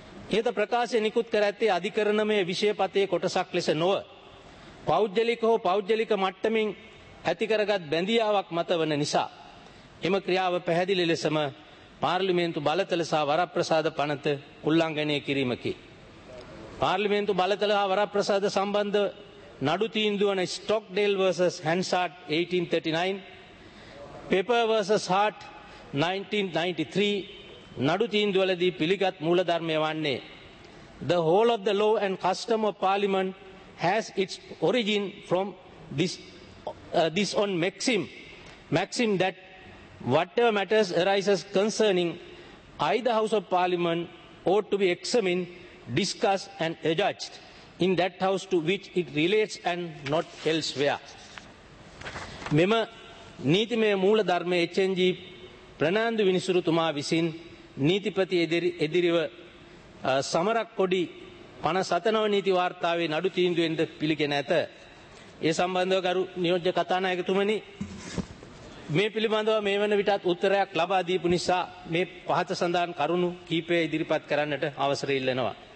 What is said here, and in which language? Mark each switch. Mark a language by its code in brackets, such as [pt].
[si] ඊත ප්‍රකාශය නිකුත් කර ඇත්තේ අධිකරණමය විෂයපතේ කොටසක් ලෙස නොව පෞද්ගලික හෝ පෞද්ගලික මට්ටමින් ඇතිකරගත් බැඳියාවක් මතවන නිසා එම ක්‍රියාව පැහැදිලි ලෙසම පාර්ලිමේන්තු බලතල සහ වරප්‍රසාද පනත උල්ලංඝනය කිරීමකි. පාර්ලිමේන්තු බලතල හා වරප්‍රසාද සම්බන්ධ නඩු තීන්දුවන ස්ටොක්ඩේල් vs හැන්සාට් 1839, පෙපර් vs හාට් 1993 නඩු තීන්දුවලදී පිළිගත් මූලධර්මය වන්නේ [en] The whole of the law and custom of parliament has its origin from this own maxim that whatever matters arises concerning either house of parliament ought to be examined, discuss and adjudged in that house to which it relates and not elsewhere. [si] මෙම නීතිමය මූලධර්මයේ HNG Fernando විනිසුරුතුමා විසින් නීතිපති එදිරිව සමරක්කොඩි 57 නීති වාර්තාවේ නඩු තීන්දුවෙන්ද පිළිගෙන ඇත. ඒ සම්බන්ධව ගරු නියෝජ්‍ය කතානායකතුමනි, මේ පිළිබඳව මේ වන විටත් උත්තරයක් ලබා දීපු නිසා මේ පහත සඳහන් කරුණු කීපය ඉදිරිපත් කරන්නට අවසර ඉල්ලනවා.